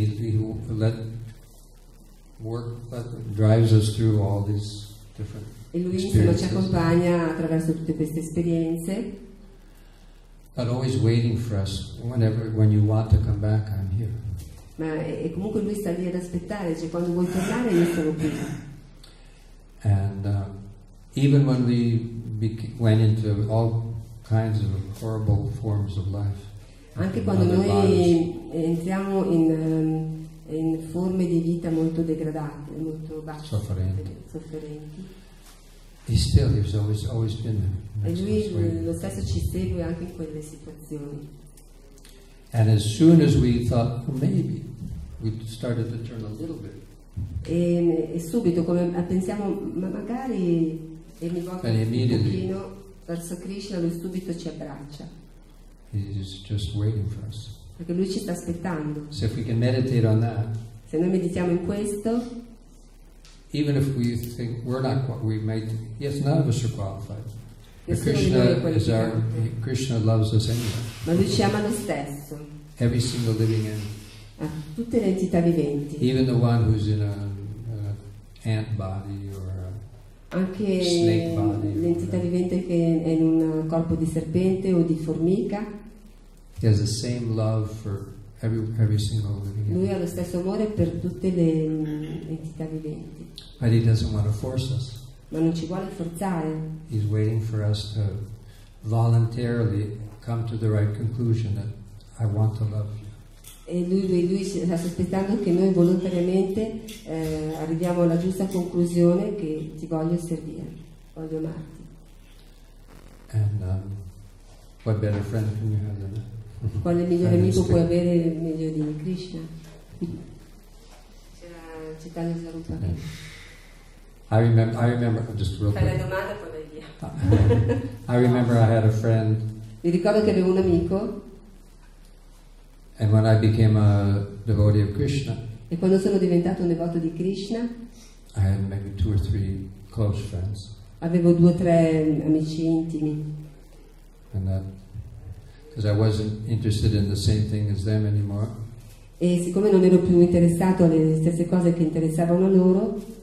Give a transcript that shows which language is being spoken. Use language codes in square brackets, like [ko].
[en] And he drives us through all these different [it] experiences. E lui insomma ci accompagna attraverso tutte queste esperienze. [en] But always waiting for us whenever when you want to come back, I'm here. [it] Ma e comunque lui sta lì ad aspettare, cioè quando vuoi tornare io sono qui. [en] And even when we went into all kinds of horrible forms of life. [it] Anche quando noi entriamo in forme di vita molto degradate, molto basse, sofferenti. [en] He's still, he's always been there. [it] E lui lo stesso ci segue anche in quelle situazioni. [en] And as soon as we thought, well, maybe, we started to turn a little bit. [it] E subito, come pensiamo, ma magari, e mi volto un pochino verso Krishna, lui subito ci abbraccia. [en] He's just waiting for us. [it] Perché lui ci sta aspettando. [en] So if we can meditate on that. [it] Se noi meditiamo in questo. [en] Even if we think we're not what we made, yes, none of us are qualified. But Krishna is our. Krishna loves us anyway. [it] Ma lui ci ama lo stesso. [en] Every single living entity. [it] Tutte le entità viventi. [en] Even the one who's in an ant body or a [it] anche [en] snake body. [it] L'entità vivente che è in un corpo di serpente o di formica. [en] He has the same love for. Every single living. [it] Lui ha lo stesso amore per tutte le entità viventi. [en] But he doesn't want to force us. [it] Ma non ci vuole forzare. [en] He's waiting for us to voluntarily come to the right conclusion that I want to love you. [it] E lui sta aspettando che noi volontariamente arriviamo alla giusta conclusione che ti voglio servire, voglio amarti. [en] And what better friend can you have than that? [it] Quale migliore amico puoi avere meglio di Krishna? C'era Chaitanya Sarupa. [en] I remember just real quick. [it] Fai la domanda poi vai via. [en] I remember I had a friend. [it] Mi ricordo che avevo un amico. [en] And when I became a devotee of Krishna. [it] E quando sono diventato un devoto di Krishna. [en] I had maybe two or three close friends. [it] Avevo due o tre amici intimi. [en] And that. Because I wasn't interested in the same thing as them anymore. [it] E siccome non ero più interessato alle stesse cose che interessavano loro,